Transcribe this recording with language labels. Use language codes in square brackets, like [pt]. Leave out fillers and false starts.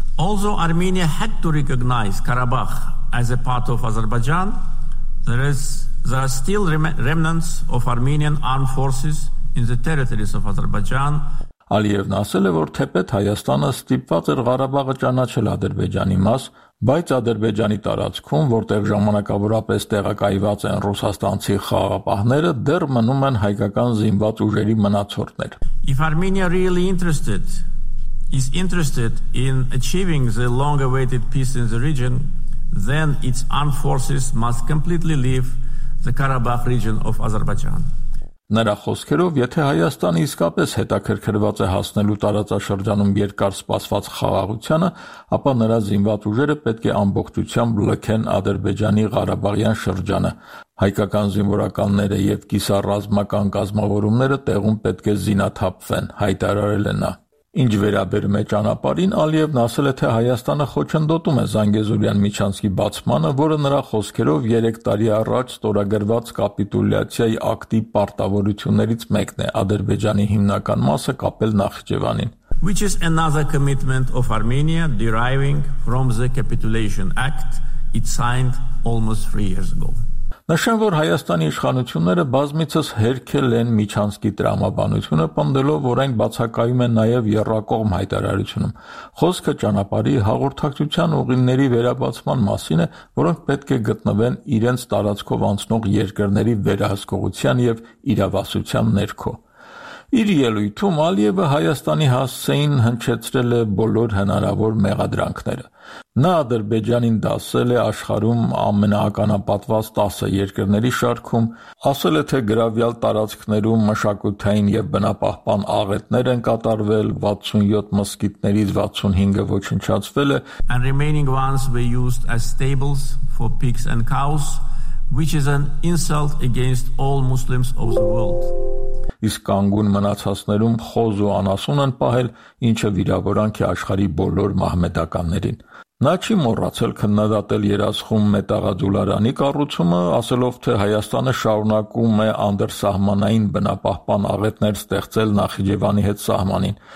[en] Although Armenia had to recognize Karabakh as a part of Azerbaijan, there are still remnants of Armenian armed forces in the territories of Azerbaijan. [hy] Ալիևն ասել է, որ թեպետ Հայաստանը ստիպված էր Ղարաբաղը ճանաչել Ադրբեջանի մաս, բայց Ադրբեջանի տարածքում, որտեղ ժամանակավորապես տեղակայված են ռուսաստանցի խաղապահները, դեռ մնում են հայկական զինված ուժերի մնացորդներ։ [en] If Armenia really is interested in achieving the long-awaited peace in the region, then its armed forces must completely leave the Karabakh region of Azerbaijan. [hy] Նրա խոսքերով, եթե Հայաստանը իսկապես հետաքրքրված է հասնելու տարածաշրջանում երկար սպասված խաղաղությանը, ապա նրա զինված ուժերը պետք է ամբողջությամբ լքեն Ադրբեջանի Ղարաբաղյան շրջանը։ Հայկական զինվորականները եւ կիսառազմական կազմավորումները տեղում պետք է զինաթափվեն, հայտարարել է նա։ Ինչ վերաբերում է ճանապարհին, Ալիևն ասել է, թե Հայաստանը խոչընդոտում է Զանգեզուրյան միջանցքի բացմանը, որը նրա խոսքերով 3 տարի առաջ ստորագրված կապիտուլյացիայի ակտի պարտավորություններից մեկն է Ադրբեջանի հիմնական մասը կապել Նախիջևանին. [en] Which is another commitment of Armenia deriving from the capitulation act it signed almost 3 years ago. [hy] Նշեմ, որ Հայաստանի իշխանությունները բազմիցս հերքել են միջանցքի տրամաբանությունը, պնդելով, որ այն բացակայում է նաև եռակողմ հայտարարությունում։ Խոսքը ճանապարհի հաղորդակցության ուղիների վերաբացման մասին է, որոնք պետք է գտնվեն իրենց տարածքով անցնող երկրների վերահսկողության և իրավասության ներքո։ Իր ելույթում Ալիևը Հայաստանի հասցեին հնչեցրել է բոլոր հնարավոր մեղադրանքները։ Նա Ադրբեջանին դասել է աշխարհում ամենաականապատված 10 երկրների շարքում, ասել է, թե գրավյալ տարածքներում մշակութային և բնապահպան աղետներ են կատարվել, 67 մսկիտներից 65-ը ոչնչացվել է. [en] And remaining ones were used as stables for pigs and cows, which is an insult against all Muslims of the world. [hy] Իսկ կանգուն մնացածներում խոզ ու անասուն են պահել, ինչը վիրավորանք է աշխարհի բոլոր մահմեդականներին։ Նա չի մոռացել քննադատել երասխում մետաղադուլարանի կառուցումը, ասելով, թե Հայաստանը շարունակում է անդրսահմանային բնապահպան աղետներ ստեղծել Նախիջևանի հետ սահմանին.